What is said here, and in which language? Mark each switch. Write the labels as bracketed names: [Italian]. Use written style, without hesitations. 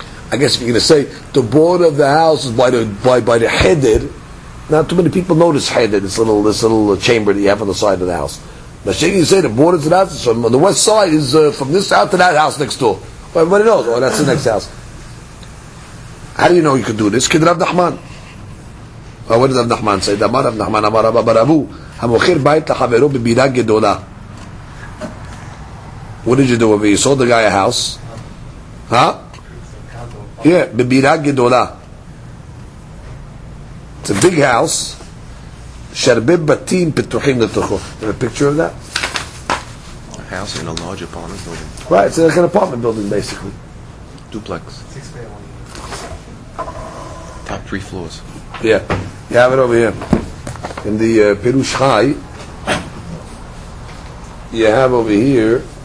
[English] I guess if you're going to say the border of the house is by the heder, not too many people notice heder. This little chamber that you have on the side of the house. But if you say the borders of the house is from the west side is from this out to that house next door. Well, everybody knows. Oh, that's the next house. How do you know you could do this? Kid Rav Nachman. Well, what does Rav Nachman say? [Aramaic] Damar Rav Nachman Amar Rav Baravu. [Hebrew] המוכר בית לחברו בבירה גדולה. [English] What did you do over here? You sold the guy a house? Huh? Yeah, [Hebrew] בבירה גדולה. [English] It's a big house. [Hebrew] שהרבה בתים פתוחים לתוכו. [English] You have a picture of that? A house in a large apartment building. Right, it's like an apartment building basically. Duplex. Top three floors. Yeah, you have it over here. In the Pirush Chai, you have over here.